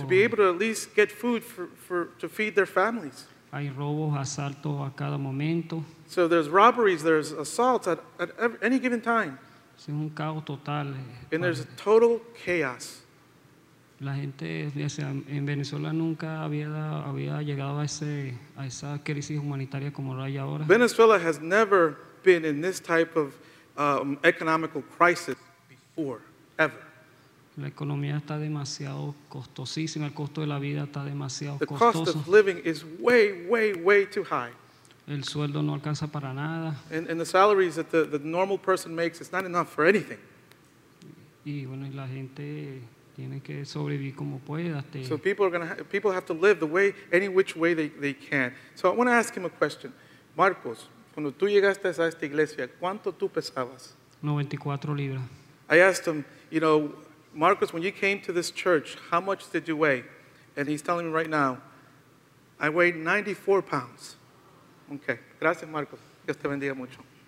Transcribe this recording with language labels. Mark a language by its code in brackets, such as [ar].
[en] To be able to at least get food to feed their families. [es] Hay robos, asaltos a cada momento. [en] So there's robberies, there's assaults at any given time. [es] Es un caos total. [en] And there's a total chaos. [es] La gente, en Venezuela nunca había llegado a esa crisis humanitaria como la hay ahora. [en] Venezuela has never been in this type of economical crisis before, ever. [es] La economía está demasiado costosísima, el costo de la vida está demasiado costoso. [en] The cost of living is way, way, way too high. [es] El sueldo no alcanza para nada. [en] And the salaries that the normal person makes is not enough for anything. [es] Y bueno, la gente tiene que sobrevivir como pueda. [en] So people have to live the way, any which way they can. So I want to ask him a question. [es] Marcos, cuando tú llegaste a esta iglesia, ¿cuánto tú pesabas? 94 libras. [en] I asked him, you know, Marcos, when you came to this church, how much did you weigh? And he's telling me right now, I weighed 94 pounds. [es] Okay. Gracias, Marcos. Dios te bendiga mucho.